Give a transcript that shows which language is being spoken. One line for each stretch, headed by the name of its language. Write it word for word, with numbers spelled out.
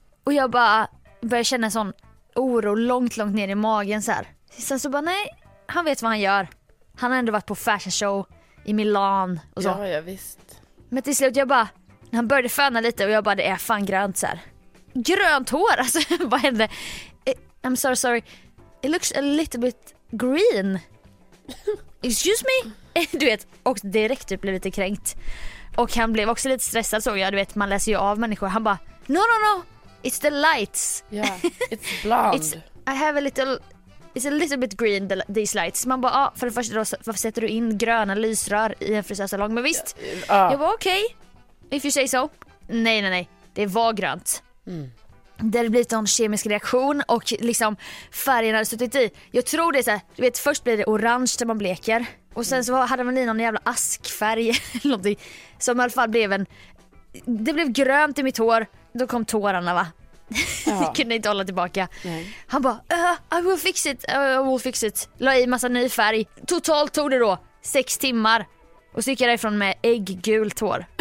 Swedish: Och jag bara börjar känna en sån oro långt långt ner i magen så här. Sen så bara nej, han vet vad han gör. Han har ändå varit på fashion show i Milan och så. Ja, ja visst. Men till slut jag bara, han började föna lite och jag bara det är fan grönt så här. Grönt hår, alltså vad hände?
English: I'm sorry, sorry. It looks a little bit green. Excuse me?
Swedish: Du vet, och direkt typ blev lite kränkt. Och han blev också lite stressad såg jag, du vet, man läser ju av människor. Han bara,
English: no, no, no, it's the lights. Yeah, it's blonde. It's, I have a little, it's a little bit green, these lights.
Swedish: Man bara, ah, för det första då, varför sätter du in gröna lysrör i en frisörsalong? Men visst, ah. Jag var okej.
English: Okay, if you say so.
Swedish: Nej, nej, nej, det var grönt. Mm. Där det blir en kemisk reaktion och liksom färgen hade suttit i. Jag tror det är så här, du vet först blir det orange när man bleker och sen så hade man i någon jävla askfärg någonting som i alla fall blev en, det blev grönt i mitt hår, då kom tårarna va. Jag kunde inte hålla tillbaka. Nej. Han bara
English: uh, I will fix it, uh, I will fix it.
Swedish: La i massa ny färg. Totalt tog det då sex timmar och så gick jag därifrån med ägggult hår.